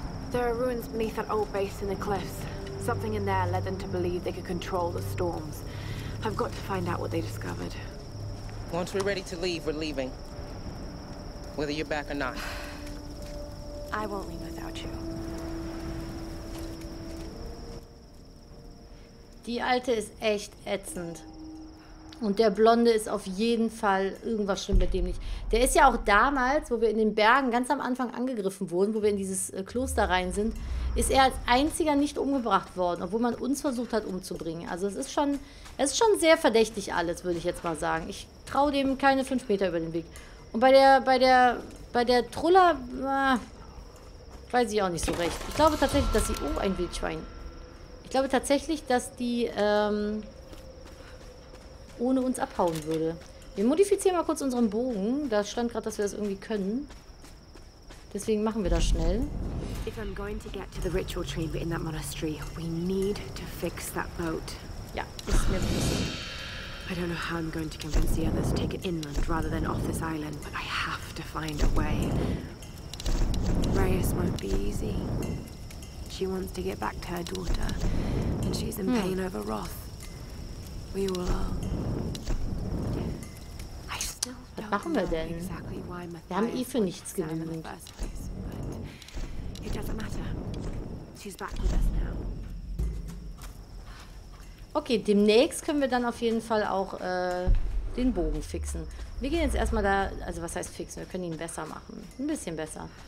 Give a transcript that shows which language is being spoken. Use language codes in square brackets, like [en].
[en] There are ruins beneath that old base in the cliffs. Something in there led them to believe they could control the storms. I've got to find out what they discovered. Once we're ready to leave, we're leaving. whether you're back or not. I won't leave without you. [de] Die Alte ist echt ätzend. Und der Blonde ist auf jeden Fall irgendwas schlimm mit dem nicht. Der ist ja auch damals, wo wir in den Bergen ganz am Anfang angegriffen wurden, wo wir in dieses Kloster rein sind, ist er als einziger nicht umgebracht worden, obwohl man uns versucht hat umzubringen. Also es ist schon sehr verdächtig alles, würde ich jetzt mal sagen. Ich traue dem keine 5 Meter über den Weg. Und bei der Trulla, weiß ich auch nicht so recht. Ich glaube tatsächlich, dass sie... Oh, ein Wildschwein. Ich glaube tatsächlich, dass die ohne uns abhauen würde. Wir modifizieren mal kurz unseren Bogen. Da stand gerade, dass wir das irgendwie können. Deswegen machen wir das schnell. [en] If I'm going to get to the ritual chamber in that monastery, we need to fix that boat. [de] Ja, ist mir bewusst. [en] I don't know how I'm going to convince the others to take it inland rather than off this island, but I have to find a way. Reyes won't be easy. She wants to get back to her daughter, and she's in pain over Roth. We will all. I still don't know exactly why Matthias was there in the first place. [de] Wir haben eh für nichts gewonnen. [en] But it doesn't matter. She's back with us now. [de] Okay, demnächst können wir dann auf jeden Fall auch den Bogen fixen. Wir gehen jetzt erstmal da, also was heißt fixen? Wir können ihn besser machen. Ein bisschen besser.